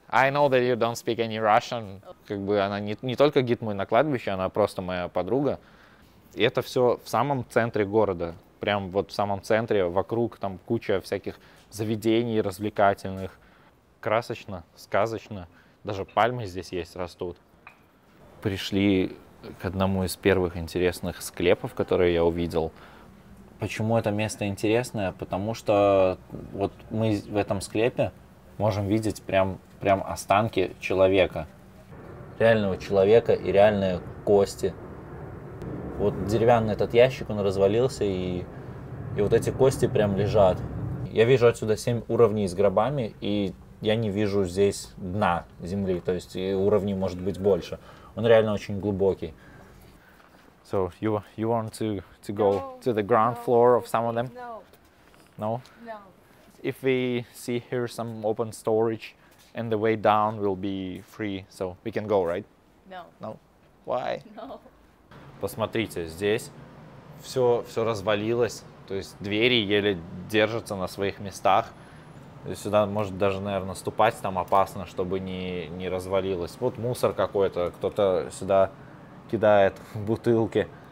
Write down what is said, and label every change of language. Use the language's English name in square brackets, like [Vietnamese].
[English] I know that you don't speak any Russian. [Russian] Как бы она не только гид мой на кладбище, она просто моя подруга. И это все в самом центре города. Прям вот в самом центре, вокруг там куча всяких заведений развлекательных. Красочно, сказочно. Даже пальмы здесь есть, растут. Пришли к одному из первых интересных склепов, которые я увидел. Почему это место интересное? Потому что вот мы в этом склепе можем видеть прям останки человека. Реального человека и реальные кости. Вот деревянный этот ящик, он развалился, и вот эти кости прям лежат. Я вижу отсюда 7 уровней с гробами, и я не вижу здесь дна земли, то есть уровней может быть больше. Он реально очень глубокий. [English] So you want to go to the ground floor of some of them? No. No. No. If we see here some open storage, and the way down will be free, so we can go, right? No. No. Why? No. [Russian] Посмотрите, здесь все развалилось, то есть двери еле держатся на своих местах. Сюда может даже, наверное, ступать там опасно, чтобы не развалилось. Вот мусор какой-то, кто-то сюда кидает бутылки.